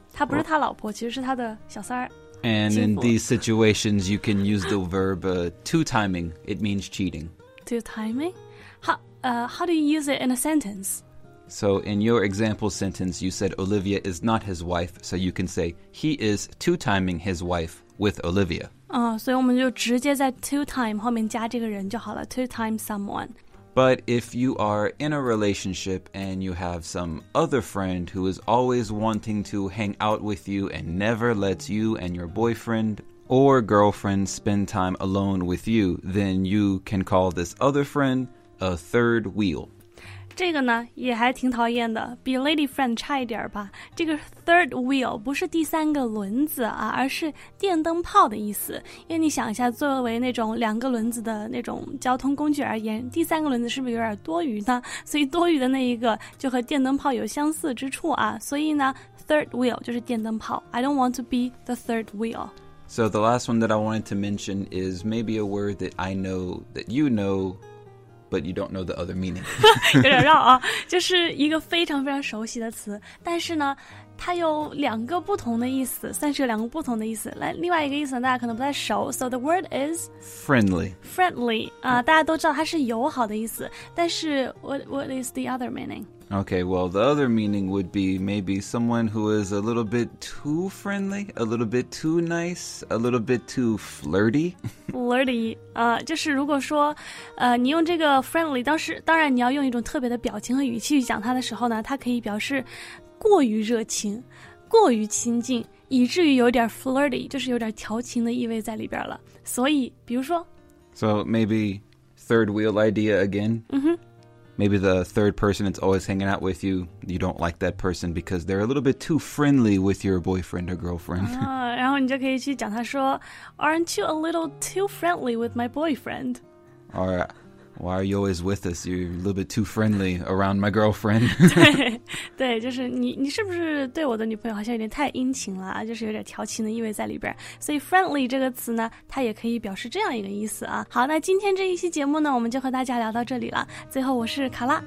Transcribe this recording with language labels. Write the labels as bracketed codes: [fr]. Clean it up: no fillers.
[zh] 她不是他老婆，其实是他的小三儿。 [en] And in these situations, you can use the verb two-timing. It means cheating. Two-timing? How do you use it in a sentence? So in your example sentence, you said Olivia is not his wife. So you can say he is two-timing his wife with Olivia. So we just [zh] 直接在 two-time 后面加这个人就好了 [en] two-time someone. But if you are in a relationship and you have some other friend who is always wanting to hang out with you and never lets you and your boyfriend... or girlfriend spend time alone with you, then you can call this other friend a third wheel. [zh] 这个呢也还挺讨厌的，比 lady friend 差一点吧。这个 third wheel 不是第三个轮子啊，而是电灯泡的意思。因为你想一下，作为那种两个轮子的那种交通工具而言，第三个轮子是不是有点多余呢？所以多余的那一个就和电灯泡有相似之处啊。所以呢 third wheel 就是电灯泡。 [en] I don't want to be the third wheel. So the last one that I wanted to mention is maybe a word that I know that you know, but you don't know the other meaning. [zh] 有点绕啊，就是一个非常非常熟悉的词，但是呢，它有两个不同的意思，算是有两个不同的意思。来，另外一个意思呢，大家可能不太熟。 [en] So the word is friendly. [zh] Friendly, 大家都知道它是友好的意思，但是 [en] what is the other meaning? Okay, well, the other meaning would be maybe someone who is a little bit too friendly, a little bit too nice, a little bit too flirty. [zh] Flirty, 就是如果说你用这个 friendly, 当然你要用一种特别的表情和语气去讲它的时候呢，它可以表示过于热情，过于亲近，以至于有点 flirty, 就是有点调情的意味在里边了。所以比如说 [en] So maybe third wheel idea again. Maybe the third person that's always hanging out with you, you don't like that person because they're a little bit too friendly with your boyfriend or girlfriend. [zh] 然后你就可以去讲他说 [en] Aren't you a little too friendly with my boyfriend? Or why are you always with us? You're a little bit too friendly around my girlfriend. [zh] 对, 对就是 你是不是对我的女朋友好像有点太殷勤了就是有点调情的意味在里边。所以 friendly 这个词呢它也可以表示这样一个意思啊。好那今天这一期节目呢我们就和大家聊到这里了。最后我是卡拉。